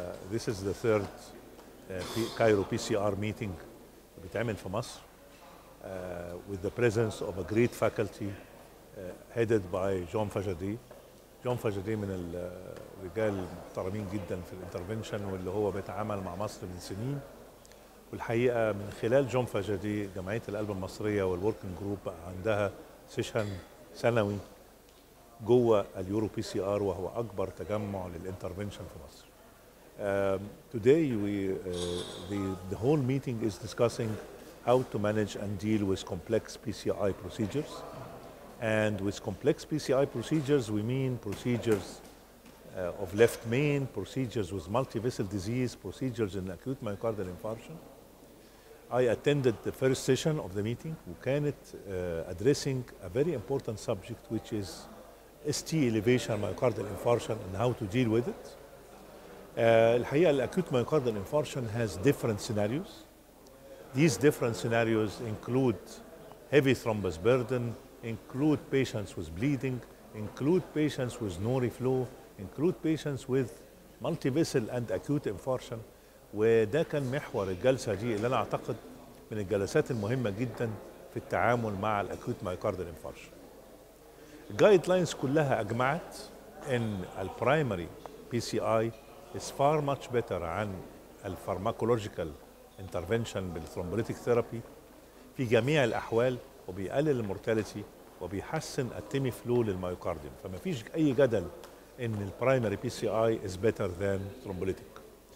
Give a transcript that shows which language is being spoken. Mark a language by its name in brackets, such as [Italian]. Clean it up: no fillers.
[English] This is the third Cairo PCR meeting [Arabic] بتعمل في مصر [English] with the presence of a great faculty headed by John Fajadi. [Arabic] John Fajadi من الرجال المحترمين جدا في الانترفنشن واللي هو بيتعامل مع مصر من سنين. والحقيقة من خلال جون فاجادي جمعية القلب المصرية والوركينج جروب عندها سيشن سنوي جوه اليورو بي سي ار وهو أكبر تجمع للانترفنشن في مصر. [English] Today we the whole meeting is discussing how to manage and deal with complex PCI procedures. And with complex PCI procedures we mean procedures of left main, procedures with multi-vessel disease, procedures in acute myocardial infarction. I attended the first session of the meeting, [Arabic] وكانت [English] addressing a very important subject, which is ST elevation myocardial infarction and how to deal with it. [Arabic] الحقيقة الأكوت [English] myocardial infarction has different scenarios. These different scenarios include heavy thrombus burden, include patients with bleeding, include patients with no reflow, include patients with multi-vessel and acute infarction. [Arabic] وده كان محور الجلسة دي اللي أنا أعتقد من الجلسات المهمة جدا في التعامل مع الأكوت مايكاردال انفارشن. الجايد لاينز كلها أجمعت إن البرايمري بي سي أي [English] is far much better [Arabic] عن الفارماكولوجيكال انترفنشن بالثرومبوليتيك ثيرابي في جميع الأحوال وبيقلل المورتاليتي وبيحسن التيمي فلو للمايوكارديوم، فما فيش أي جدل إن البرايمري بي سي أي [English] is better than thrombolytic.